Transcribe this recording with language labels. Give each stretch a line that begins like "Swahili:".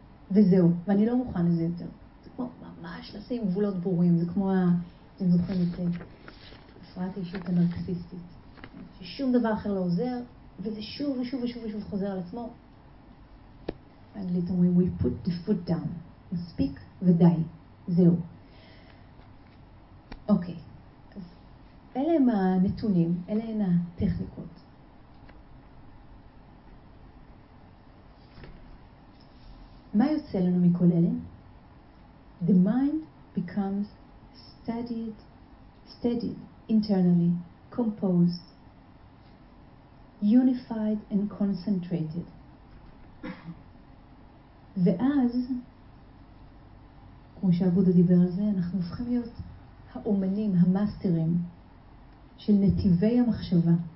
Hebrew: וזהו, ואני לא מוכן לזה יותר. זה כמו ממש לשים גבולות ברורים, זה כמו אני זוכן את הפרעת אישית הנרקסיסטית. ששום דבר אחר לא עוזר, וזה שוב ושוב ושוב ושוב חוזר על עצמו. באנגלית אומרים,
English: we put the foot down.
Hebrew: מספיק ודי. זהו. אוקיי. אז אלה הם הנתונים, אלה הן הטכניקות. מה יוצא לנו מכל אלה?
English: The mind becomes steadied internally, composed, unified and concentrated.
Hebrew: ואז, כמו שהבודה דיבר על זה, אנחנו הופכים להיות האומנים, המאסטרים של נתיבי המחשבה.